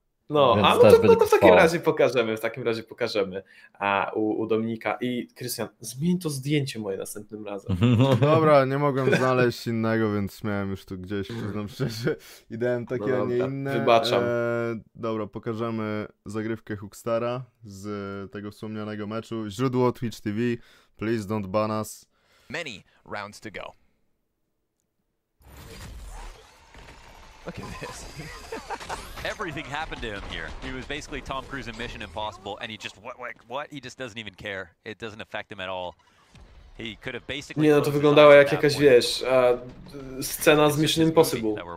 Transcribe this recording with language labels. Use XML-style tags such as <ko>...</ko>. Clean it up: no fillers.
<pl>No, a no to w takim razie pokażemy, u Dominika. I Krystian, zmień to zdjęcie moje następnym razem. Dobra, nie mogłem znaleźć innego, więc miałem już tu gdzieś, przyznam szczerze, ideę takie, no, a nie inne. Wybaczam. Dobra, pokażemy zagrywkę Hookstara z tego wspomnianego meczu. Źródło</pl> <en>Twitch TV, please don't ban us. Many rounds to go. Look at this. Everything happened to him here. He was basically Tom Cruise in Mission Impossible, and he just, what? He just doesn't even care. It doesn't affect him at all. He could have basically...</en> <pl>Nie, no to wyglądało jak jakaś, wiesz, scena z Mission Impossible.</pl>